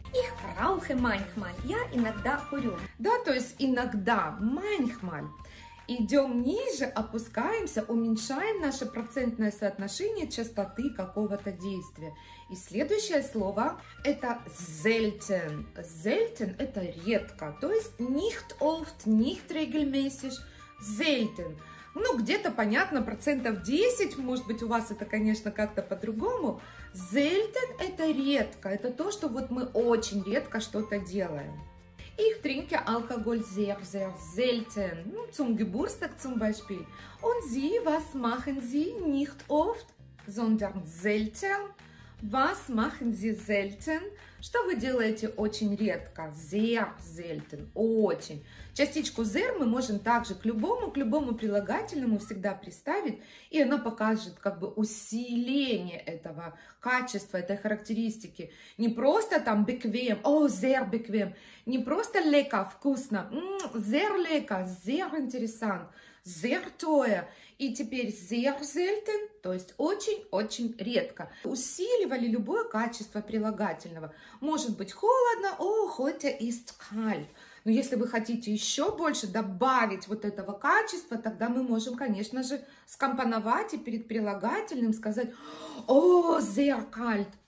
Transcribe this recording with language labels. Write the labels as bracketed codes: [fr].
[de] Ich rauche manchmal, [ru] я иногда курю. Да, то есть иногда, manchmal. Идем ниже, опускаемся, уменьшаем наше процентное соотношение частоты какого-то действия. И следующее слово это selten. [de] Selten [ru] это редко, то есть [de] nicht oft, nicht regelmäßig, selten. [ru] Ну, где-то, понятно, процентов 10, может быть, у вас это, конечно, как-то по-другому. Selten это редко, это то, что вот мы очень редко что-то делаем. [de] Ich trinke Alkohol sehr, sehr selten. Zum Geburtstag zum Beispiel. Und Sie, was machen Sie nicht oft, sondern selten? Was machen Sie selten? [ru] Что вы делаете очень редко? [de] Sehr selten. [ru] Очень. Частичку sehr мы можем также к любому прилагательному всегда приставить, и она покажет как бы усиление этого качества, этой характеристики. Не просто там bequem, sehr bequem. Не просто lecker, вкусно. [de] Sehr lecker, sehr interessant, sehr teuer. [ru] И теперь sehr selten, то есть очень-очень редко. Усиливали любое качество прилагательного. Может быть холодно, [de] heute ist kalt. [ru] Но если вы хотите еще больше добавить вот этого качества, тогда мы можем, конечно же, скомпоновать и перед прилагательным сказать sehr kalt.